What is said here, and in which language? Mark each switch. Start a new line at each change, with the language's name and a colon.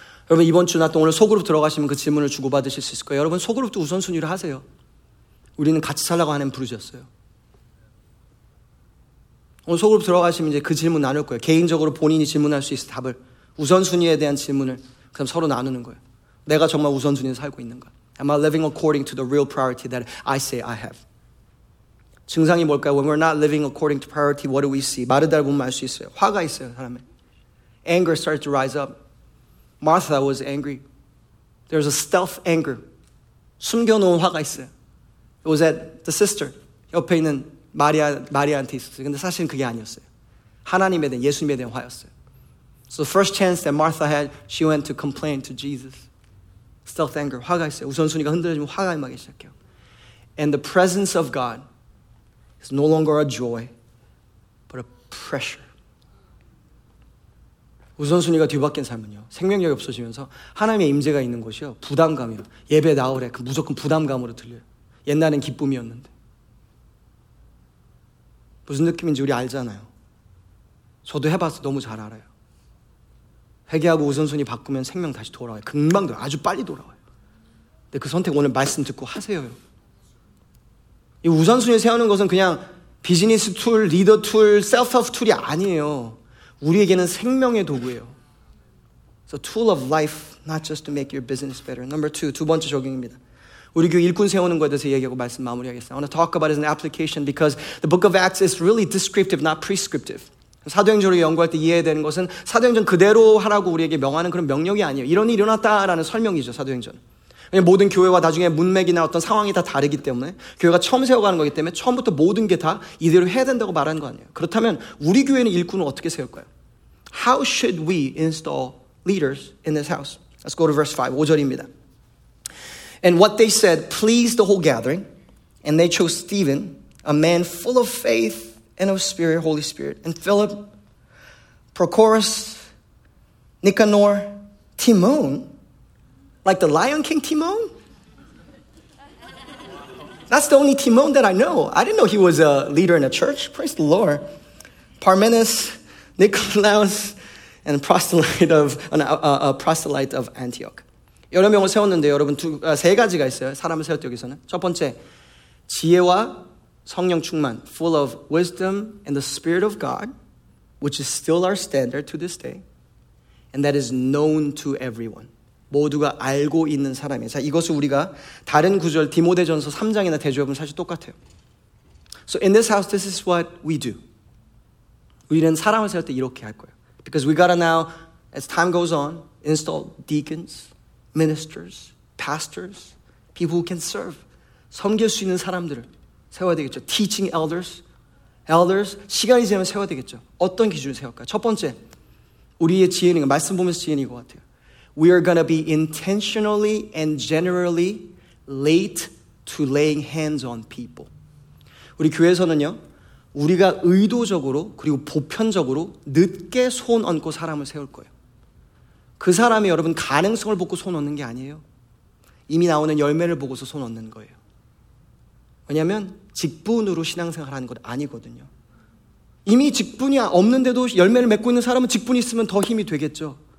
Korean: 여러분 이번 주나 또 오늘 소그룹 들어가시면 그 질문을 주고받으실 수 있을 거예요. 여러분 소그룹도 우선순위를 하세요. 우리는 같이 살라고 하는 부르셨어요. 오늘 소그룹 들어가시면 이제 그 질문 나눌 거예요. 개인적으로 본인이 질문할 수 있어요. 답을. 우선순위에 대한 질문을 그럼 서로 나누는 거예요. 내가 정말 우선순위에 살고 있는가?
English: Am I living according to the real priority that I say I have?
Korean: 증상이 뭘까요?
English: When we're not living according to priority, what do we see?
Korean: 마르다를 보면 알 수 있어요. 화가 있어요, 사람에.
English: Anger starts to rise up. Martha was angry. There's a stealth anger.
Korean: 숨겨놓은 화가 있어요.
English: It was at the sister.
Korean: 옆에 있는 마리아한테 있었어요. 근데 사실은 그게 아니었어요. 하나님에 대한, 예수님에 대한 화였어요.
English: So the first chance that Martha had, she went to complain to Jesus. Stealth anger,
Korean: 화가 있어요. 우선순위가 흔들려지면 화가 임하기 시작해요.
English: And the presence of God is no longer a joy, but a pressure.
Korean: 우선순위가 뒤바뀐 삶은요, 생명력이 없어지면서 하나님의 임재가 있는 곳이요, 부담감이요. 예배 나오래, 그 무조건 부담감으로 들려요. 옛날엔 기쁨이었는데. 무슨 느낌인지 우리 알잖아요. 저도 해봐서 너무 잘 알아요. 회개하고 우선순위 바꾸면 생명 다시 돌아와요. 금방 돌아와요. 아주 빨리 돌아와요. 근데 그 선택 오늘 말씀 듣고 하세요. 이 우선순위 세우는 것은 그냥 비즈니스 툴, 리더 툴, 셀프 툴이 아니에요. 우리에게는 생명의 도구예요.
English: It's a tool of life, not just to make your business better. Number two,
Korean: 두 번째 적용입니다. 우리 교회 일꾼 세우는 것에 대해서 얘기하고 말씀 마무리하겠습니다.
English: I want to talk about it as an application because the book of Acts is really descriptive, not prescriptive.
Korean: 사도행전을 연구할 때 이해해야 되는 것은 사도행전 그대로 하라고 우리에게 명하는 그런 명령이 아니에요. 이런 일이 일어났다라는 설명이죠, 사도행전. 모든 교회와 나중에 문맥이나 어떤 상황이 다 다르기 때문에 교회가 처음 세워가는 거기 때문에 처음부터 모든 게 다 이대로 해야 된다고 말하는 거 아니에요. 그렇다면 우리 교회는 일꾼을 어떻게 세울까요?
English: How should we install leaders in this house? Let's go to verse 5.
Korean: 5절입니다.
English: And what they said pleased the whole gathering, and they chose Stephen, a man full of faith and of spirit, Holy Spirit, and Philip, Prochorus, Nicanor, Timon, like the Lion King Timon? That's the only Timon that I know. I didn't know he was a leader in a church. Praise the Lord. Parmenas, Nicolaus, and a proselyte of Antioch.
Korean: 여러 명을 세웠는데 여러분 세 가지가 있어요. 사람을 세웠다 여기서는. 첫 번째, 지혜와 성령 충만.
English: Full of wisdom and the spirit of God, which is still our standard to this day. And that is known to everyone.
Korean: 모두가 알고 있는 사람이에요. 자, 이것을 우리가 다른 구절 디모데전서 3장이나 대조해보면 사실 똑같아요.
English: So in this house, this is what we do.
Korean: 우리는 사람을 세울 때 이렇게 할 거예요.
English: Because we gotta now, as time goes on, install deacons, ministers, pastors, people who can serve.
Korean: 섬길 수 있는 사람들을 세워야 되겠죠.
English: Teaching elders,
Korean: 시간이 지나면 세워야 되겠죠. 어떤 기준을 세울까요? 첫 번째, 우리의 지혜는, 말씀 보면서 지혜인 것 같아요.
English: We are going to be intentionally and generally late to laying hands on people.
Korean: 우리 교회에서는요, 우리가 의도적으로 그리고 보편적으로 늦게 손 얹고 사람을 세울 거예요. 그 사람이 여러분 가능성을 보고 손 얹는 게 아니에요. 이미 나오는 열매를 보고서 손 얹는 거예요. 왜냐하면 직분으로 신앙생활하는 것 아니거든요. 이미 직분이 없는데도 열매를 맺고 있는 사람은 직분이 있으면 더 힘이 되겠죠.